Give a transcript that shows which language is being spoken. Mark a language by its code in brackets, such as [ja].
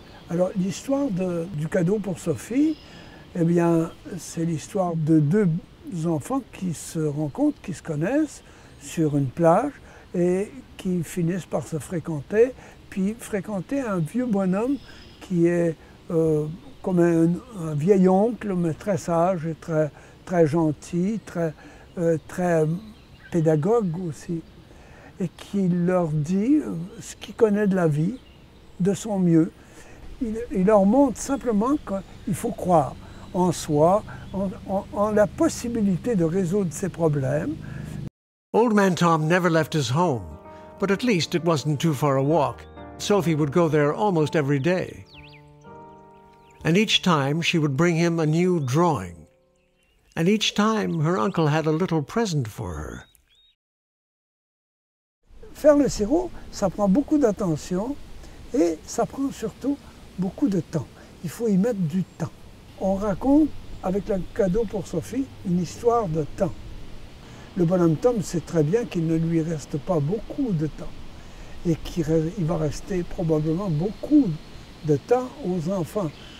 [fr] Alors l'histoire du cadeau pour Sophie, eh bien, c'est l'histoire de deux enfants qui se rencontrent, qui se connaissent sur une plage et qui finissent par se fréquenter, puis fréquenter un vieux bonhomme qui est comme un vieil oncle, mais très sage, et très, très gentil, très pédagogue aussi, et qui leur dit ce qu'il connaît de la vie, de son mieux. Il leur montre simplement qu'il faut croire en soi, en la possibilité de résoudre ses problèmes. [en] Old Man Tom never left his home, but at least it wasn't too far a walk. Sophie would go there almost every day. And each time she would bring him a new drawing. And each time her uncle had a little present for her. [fr] Faire le sirop, ça prend beaucoup d'attention et ça prend surtout beaucoup de temps. Il faut y mettre du temps. On raconte, avec le cadeau pour Sophie, une histoire de temps. Le bonhomme Tom sait très bien qu'il ne lui reste pas beaucoup de temps et qu'il va rester probablement beaucoup de temps aux enfants.